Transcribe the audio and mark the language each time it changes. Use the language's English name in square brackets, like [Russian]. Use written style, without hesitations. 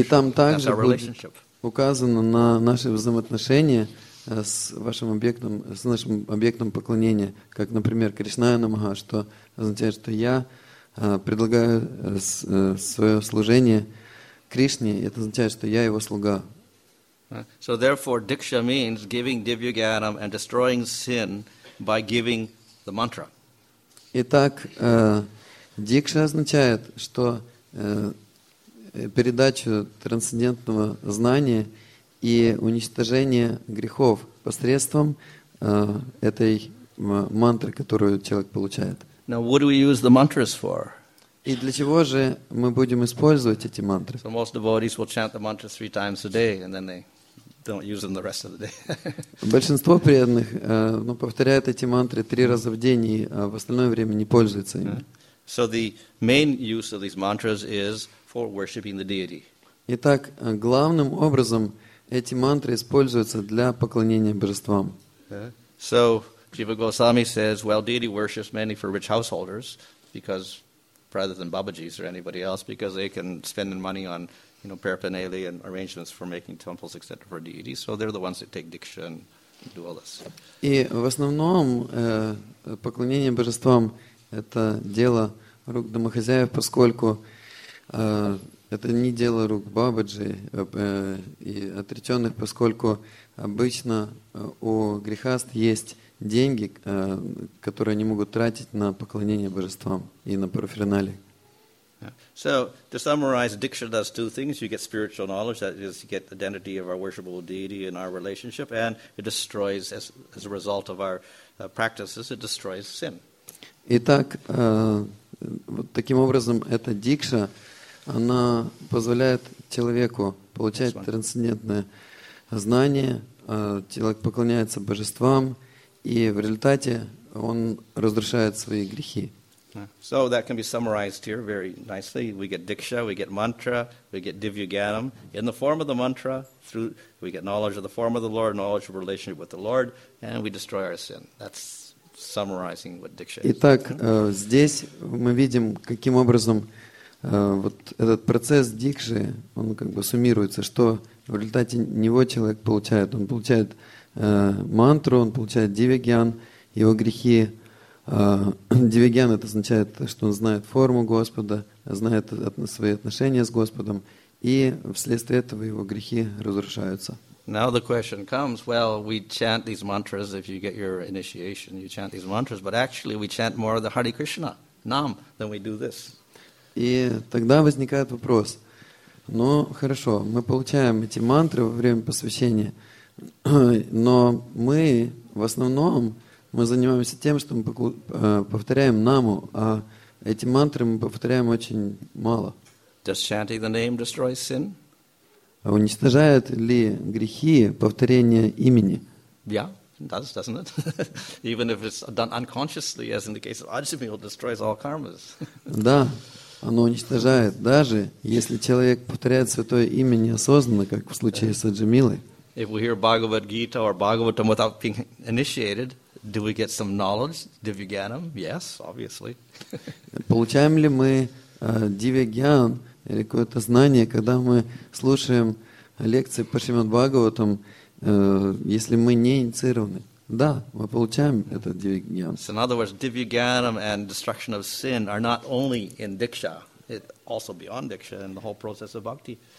[Russian] И там также будет указано на наши взаимоотношения с вашим объектом, с нашим объектом поклонения, как, например, Кришная Намаха, что означает, что я предлагаю свое служение Кришне, это означает, что я его слуга. [English] So therefore, diksha means giving divyagyanam and destroying sin by giving the mantra. [Russian] Итак, дикша означает, что передачу трансцендентного знания и уничтожение грехов посредством этой мантры, которую человек получает. [English] Now, what do we use the mantras for? [Russian] И для чего же мы будем использовать эти мантры? [English] So most devotees will chant the mantras three times a day, and then they don't use them the rest of the day. [Russian] Большинство преданных повторяют эти мантры три раза в день, и в остальное время не пользуются ими. [English] So the main use of these mantras is for worshiping the deity. [Russian] Итак, главным образом эти мантры используются для поклонения божествам. [English] So Jiva Goswami says, well, deity worships mainly for rich householders, because rather than Babaji's or anybody else, because they can spend money on, you know, paraphernalia and arrangements for making temples, etc., for deities. So they're the ones that take diksha and do all this. [Russian] И в основном поклонение божествам это дело рук домохозяев, поскольку это не дело рук Бабаджи и отреченных, поскольку обычно у грехаст есть деньги, которые они могут тратить на поклонение божествам и на параферналии. [English] So, to summarize, diksha does two things. You get spiritual knowledge, that is, you get the identity of our worshipable deity in our relationship, and it destroys, as a result of our practices, it destroys sin. [Russian] Итак, вот таким образом, эта дикша, она позволяет человеку получать трансцендентное знание, человек поклоняется божествам, и в результате он разрушает свои грехи. [English] So that can be summarized here very nicely. We get diksha, we get mantra, we get divya gyanam in the form of the mantra. Through we get knowledge of the form of the Lord, knowledge of relationship with the Lord, and we destroy our sin. That's summarizing what diksha is. [Russian] Итак, здесь мы видим, каким образом вот этот процесс дикши, он как бы суммируется, что в результате него человек получает. Он получает мантру, он получает дивигян, его грехи. Дивигян — это означает, что он знает форму Господа, знает свои отношения с Господом, и вследствие этого его грехи разрушаются. [English] Now the question comes, well, we chant these mantras if you get your initiation, you chant these mantras, but actually we chant more of the Hare Krishna, nam, than we do this. [Russian] И тогда возникает вопрос. Ну, хорошо, мы получаем эти мантры во время посвящения, но мы в основном мы занимаемся тем, что мы повторяем наму, а эти мантры мы повторяем очень мало. [English] Does chanting the name destroy sin? [Russian] Уничтожает ли грехи повторение имени? [English] Yeah. It does, doesn't it? Even if it's done unconsciously, as in the case of Ajami, it destroys all karmas. [Russian] Да. Оно уничтожает, даже если человек повторяет святое имя неосознанно, как в случае с Аджамилой. [English] If we hear Bhagavad Gita or Bhagavatam without being initiated, do we get some knowledge, Divyagyanam? Yes, obviously. [Russian] Получаем ли мы Divyagyan или какое-то знание, когда мы слушаем лекции по Шримад Бхагаватам, если мы не инициированы? Да, мы получаем этот дивигьян. [English] So in other words, divyagyanam and destruction of sin are not only in diksha, it also beyond diksha and the whole process of bhakti.